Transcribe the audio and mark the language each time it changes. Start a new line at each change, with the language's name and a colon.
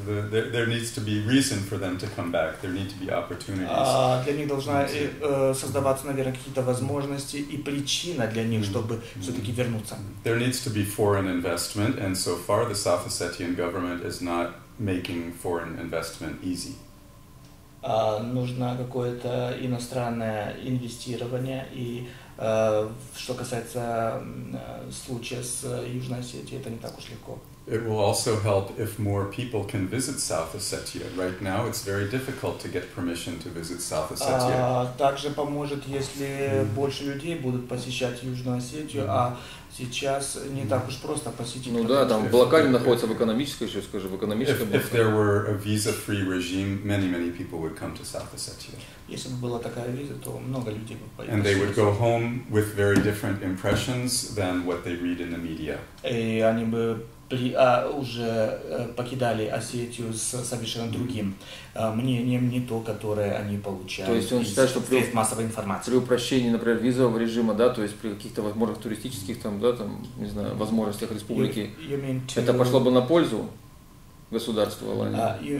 English: There needs to be reason for them to come back. There need to be opportunities.
Russian: Для них должна создаваться, наверное, какие-то возможности и причина для них, чтобы все-таки вернуться.
English: There needs to be foreign investment, and so far the South Ossetian government is not making foreign investment easy.
Russian: Нужно какое-то иностранное инвестирование и что касается случая с Южной Осетией, это не так уж легко.
English: It will also help if more people can visit South Ossetia. Right now it's very difficult to get permission to visit South Ossetia.
Russian: Также поможет, если больше людей будут посещать Южную Осетию, а сейчас не так уж просто посетить. Ну да, там блокада находится в экономической, еще скажу, в экономической блокаде.
English: If there were a visa-free regime, many, many people would come to South Ossetia.
Russian: Если бы была такая виза, то много людей бы поехали.
English: And they would go home with very different impressions than what they read in the media.
Russian: И они бы уже покидали Осетию с совершенно другим мнением, не то, которое они получают. То есть он считает, что при упрощении, например, визового режима, да, то есть при каких-то возможных туристических там, да, там, не знаю, возможностях республики, это пошло бы на пользу государству Алании.